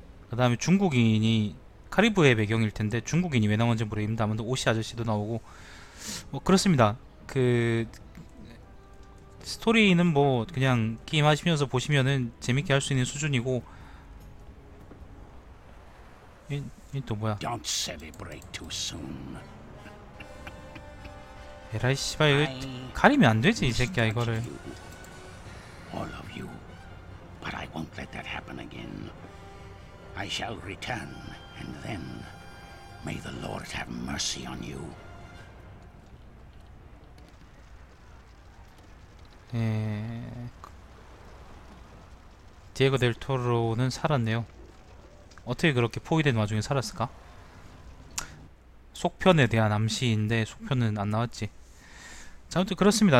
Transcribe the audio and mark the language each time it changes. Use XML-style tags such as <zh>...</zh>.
<ko>그 다음에 중국인이, 카리브해 배경일 텐데 중국인이 왜 나오는지 모르겠는데, 아무튼 오시 아저씨도 나오고 뭐 그렇습니다. 그 스토리는 뭐 그냥 게임하시면서 보시면은 재밌게 할 수 있는 수준이고. 이 또 뭐야?</ko> <en>Don't celebrate too soon.</en> <ko>에라이 씨발, 이거 가리면 안 되지 이 새끼야 이거를.</ko> <en>All of you, but I won't let that happen again. I shall return, and then may the Lord have mercy on you.</en> <ko>네, 디에고 델 토로는 살았네요. 어떻게 그렇게 포위된 와중에 살았을까? 속편에 대한 암시인데 속편은 안 나왔지. 자, 아무튼 그렇습니다.</ko>